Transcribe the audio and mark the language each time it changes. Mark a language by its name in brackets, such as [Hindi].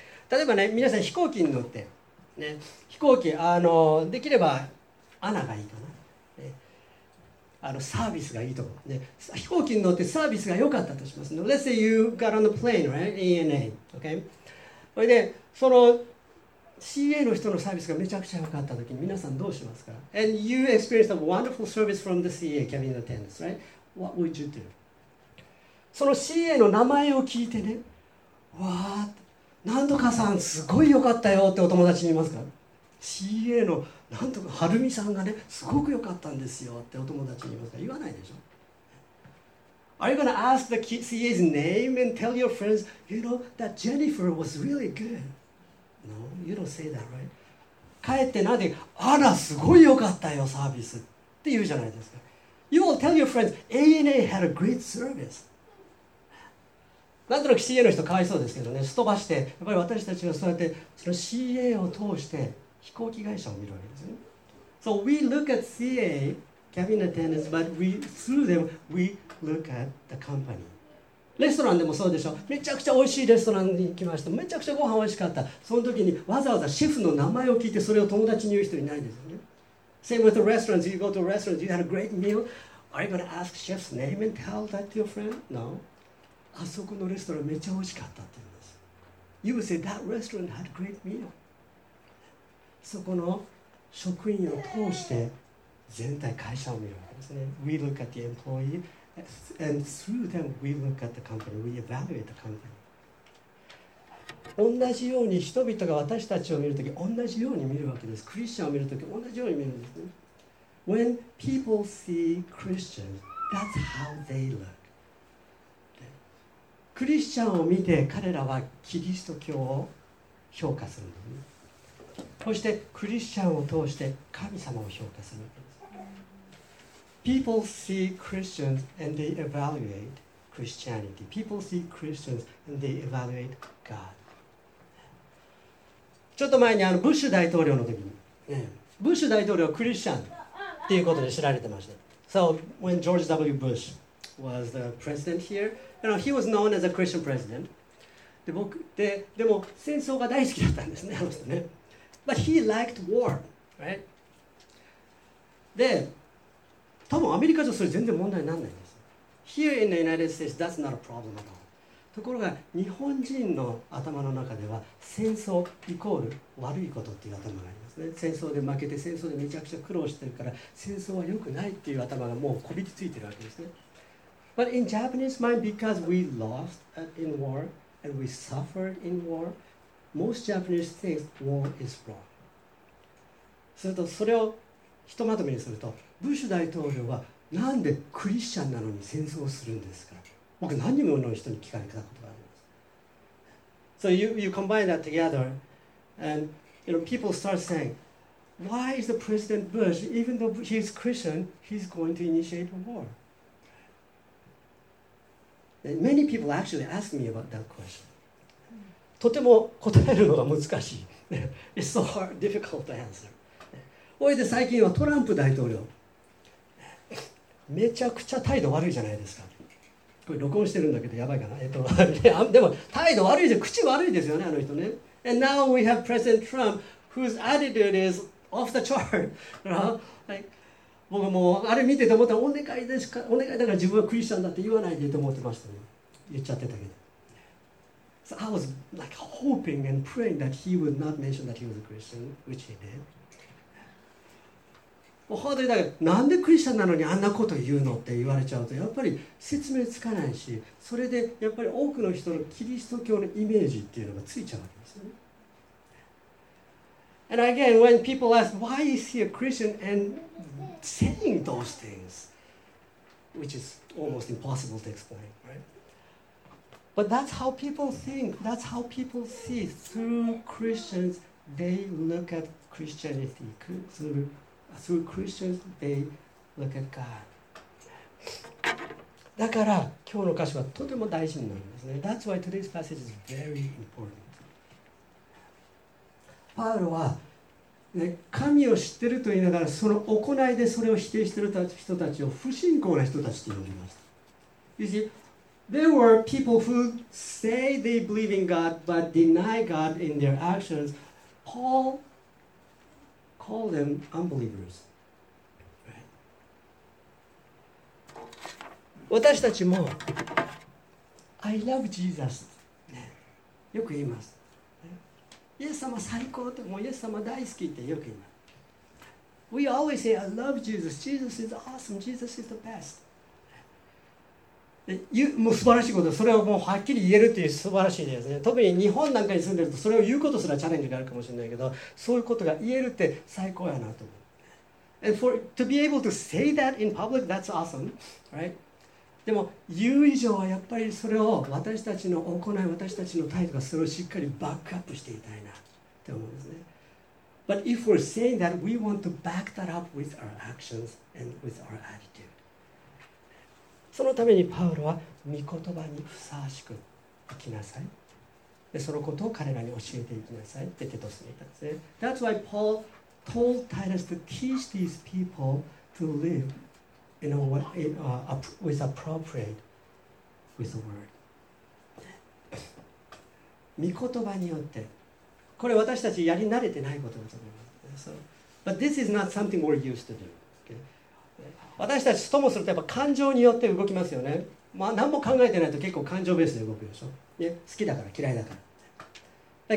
[Japanese] 例えばね、皆さん飛行機に乗って、ね、飛行機できればアナがいいかな。サービスがいいと、ね、飛行機に乗ってサービスが良かったとします。 [English] Let's say you got on the plane, right? ANA, okay? [Japanese] それでその CA の人のサービスがめちゃくちゃ良かったときに皆さんどうしますか？ [English] And you experienced a wonderful service from the CA cabin attendants, right? What would you do? [Japanese] その CA の名前を聞いてね、わー、なんとかさんすごい良かったよってお友達に言いますか？ CA のなんとかはるみさんがね、すごく良かったんですよってお友達に言いますか？言わないでしょ。 [English] Are you going to ask the CA's name and tell your friends, you know, that Jennifer was really good? No, you don't say that, right? [Japanese] 帰ってなんで、あら、すごい良かったよ、サービスって言うじゃないですか。 [English] You will tell your friends, ANA had a great service. [Japanese] なんとなく CA の人かわいそうですけどね、すとばして、やっぱり私たちはそうやって、その CA を通して、飛行機会社を見るわけですね。 [English] So we look at CA, cabin attendants, but we, through them, we look at the company. [Japanese] レストランでもそうでしょ。めちゃくちゃ美味しいレストランに来ました。めちゃくちゃご飯美味しかった。その時にわざわざシェフの名前を聞いて、それを友達に言う人いないんですよね。 [English] Same with the restaurants. You go to restaurants, you had a great meal. Are you going to ask chef's name and tell that to your friend? No. [Japanese] あそこのレストランめっちゃ美味しかったって言うんです。 [English] You would say that restaurant had a great meal. [Japanese] そこの職員を通して全体会社を見るわけですね。 [English] We look at the employee and through them we look at the company. We evaluate the company. [Japanese] 同じように人々が私たちを見るとき同じように見るわけです。クリスチャンを見るとき同じように見るんですね。 [English] When people see Christians, that's how they look. [Japanese] クリスチャンを見て彼らはキリスト教を評価するんですね。そしてクリスチャンを通して神様を評価するんです。 [English] People see Christians and they evaluate Christianity. People see Christians and they evaluate God. [Japanese] ちょっと前にブッシュ大統領の時に、ね、ブッシュ大統領はクリスチャンっていうことで知られてました。 [English] So when George W. Bush was the president here, you know, he was known as a Christian president. [Japanese] で僕で、でも戦争が大好きだったんですね、あの人ね。 [English] But he liked war, right? [Japanese] で、多分アメリカじゃそれ全然問題にならないんです。 [English] Here in the United States, that's not a problem at all. [Japanese] ところが日本人の頭の中では戦争イコール悪いことっていう頭がありますね。戦争で負けて戦争でめちゃくちゃ苦労してるから戦争は良くないっていう頭がもうこびりついてるわけですね。 [English] But in Japanese mind, because we lost in war and we suffered in war, most Japanese think war is wrong. [Japanese] するとそれをひとまとめにすると、ブッシュ大統領はなんでクリスチャンなのに戦争をするんですか。僕何人もの人に聞かれたことがあります。 [English] So you combine that together, and you know people start saying, why is the President Bush, even though he's Christian, he's going to initiate a war? And、many people actually ask me about that question. [Japanese] とても答えるのが難しい。 [English] It's so hard, difficult to answer. [Japanese] おいで最近はトランプ大統領。めちゃくちゃ態度悪いじゃないですか。これ録音してるんだけどやばいかな。でも態度悪いじゃん。口悪いですよね、あの人ね。 [English] And now we have President Trump, whose attitude is off the chart. You know? [Japanese] 僕もあれ見てて思ったら、お願いですか、お願いだから自分はクリスチャンだって言わないでと思ってましたね。言っちゃってたけど。 [English] So I was like hoping and praying that he would not mention that he was a Christian, which he did. [Japanese] 本当にだから、なんでクリスチャンなのにあんなこと言うのって言われちゃうと、やっぱり説明つかないし、それでやっぱり多くの人のキリスト教のイメージっていうのがついちゃうわけですよね。 [English] And again, when people ask, why is he a Christian and saying those things, which is almost impossible to explain, right? But that's how people think, that's how people see. Through Christians, they look at Christianity. Through Christians, they look at God. [Japanese] だから今日の箇所はとても大事になるんですね。 [English] That's why today's passage is very important. [Japanese] パウロは神を知ってると言いながらその行いでそれを否定している人たちを不信仰な人たちと呼びました。 [English] You see, there were people who say they believe in God but deny God in their actions. Paul called them unbelievers. Right? [Japanese] 私たちも [English] I love Jesus、 [Japanese] ね、よく言います。イエス様最高って、もうイエス様大好きってよく言います。 [English] We always say, I love Jesus. Jesus is awesome. Jesus is the best. [Japanese] もう素晴らしいことです。それをもうはっきり言えるっていう素晴らしいですね。特に日本なんかに住んでると、それを言うことすらチャレンジがあるかもしれないけど、そういうことが言えるって最高やなと思う。 [English] And for to be able to say that in public, that's awesome, right? [Japanese] でも言う以上はやっぱりそれを私たちの行い、私たちの態度がそれをしっかりバックアップしていたいなって思うんですね。 [English] But if we're saying that, we want to back that up with our actions and with our attitude. [Japanese] そのためにパウロは御言葉にふさわしく生きなさい。でそのことを彼らに教えていきなさいってテトスに言ったんですね。 [English] That's why Paul told Titus to teach these people to liveYou know, with appropriate with the word. [Japanese] 御言葉によって、これ私たちやり慣れてないことだと思います。 [English] So, but this is not something we're used to do. Okay? [Japanese] 私たちともするとやっぱ感情によって動きますよね。まあ何も考えてないと結構感情ベースで動くでしょ。ね、好きだから嫌いだから。